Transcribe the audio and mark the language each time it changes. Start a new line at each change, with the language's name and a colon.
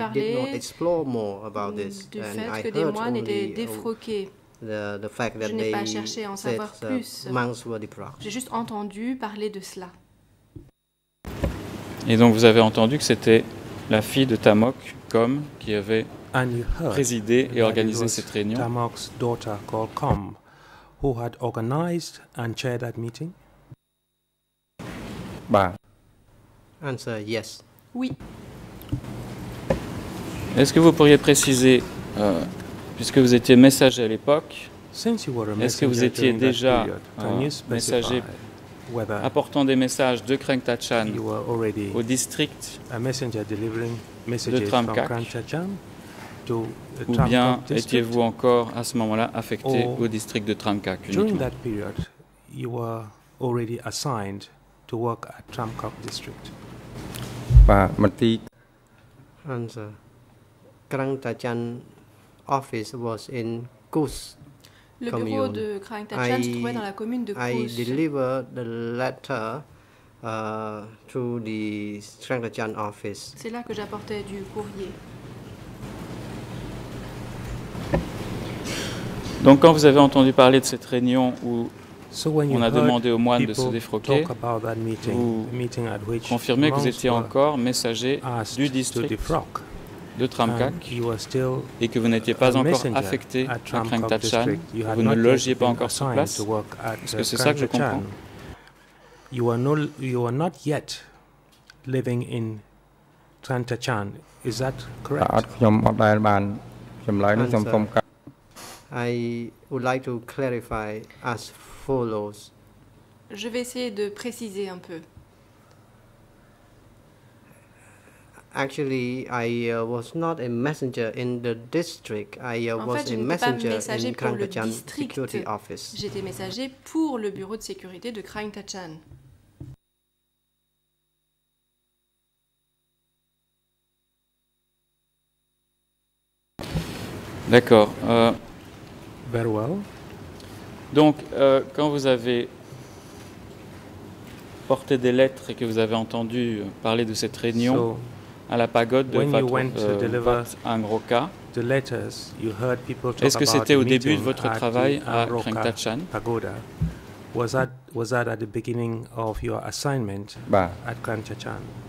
English: and I did not explore more about this. And I heard only the fact that they said monks were defrocked.
French: J'ai juste entendu parler de cela. Et donc vous avez entendu que c'était la fille de Tamok, Com, qui avait présidé et organisé cette réunion.
English: Tamok's daughter called Com, who had organized and chaired that meeting. Answer yes.
French: Oui. Est-ce que vous pourriez préciser, puisque vous étiez messager à l'époque, est-ce que vous étiez déjà messager apportant des messages de Krang Thachan au district de Tramkak
English: to
French: ou bien étiez-vous encore à ce moment-là affecté au district de Tramkhak
English: during that period, you were already assigned to work at Tramkhak district. Answer. Krang Tachan office was in Kus.
French: Le bureau commune. De Krang Tachan se trouvait dans la commune de Kus.
English: I delivered the letter to the Krang Tachan office.
French: C'est là que j'apportais du courrier. Donc quand vous avez entendu parler de cette réunion où on a demandé aux moines de se défroquer, vous confirmez que vous étiez encore messager du district de Tramkhak et que vous n'étiez pas encore affecté à Krang Tachan, vous ne logiez pas encore sur place. Est-ce que c'est ça que je comprends?
English: You are not yet living in Krang Tachan. Is that correct? I would like to clarify as follows.
French: Je vais essayer de préciser un peu.
English: Actually, I was not a messenger in the district. I was a messenger in Krang Tachan Security Office.
French: J'étais messager pour le bureau de sécurité de Krang Tachan. D'accord.
English: Very well.
French: Donc, quand vous avez porté des lettres et que vous avez entendu parler de cette réunion à la pagode de Vat Angroka, est-ce que c'était au début de votre travail à Krang Tachan?
English: Was that at the beginning of your assignment at Krang Tachan?